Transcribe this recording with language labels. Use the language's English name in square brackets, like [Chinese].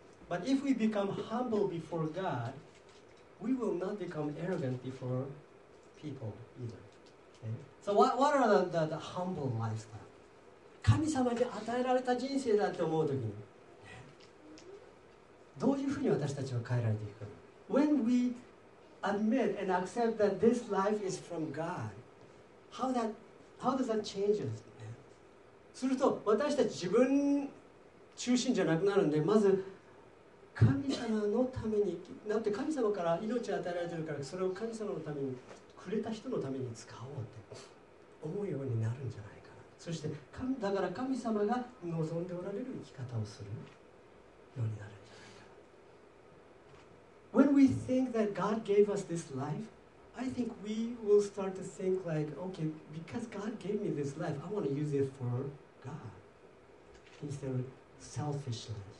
[English] But if we become humble before God, we will not become arrogant before people either. So what are the humble lifestyle? [Japanese] 神様に与えられた人生だって思うときに、どういうふうに私たちは変えられていくか。 [English] When we admit and accept that this life is from God, how does that change us? [Japanese] すると私たち自分中心じゃなくなるんで、まず神様のためになって、神様から命を与えられてるから、それを神様のためにくれた人のために使おうって思うようになるんじゃないかな。そしてだから神様が望んでおられる生き方をするようになる。 [English] When we think that God gave us this life, I think we will start to think like, okay, because God gave me this life, I want to use it for God instead of selfishly.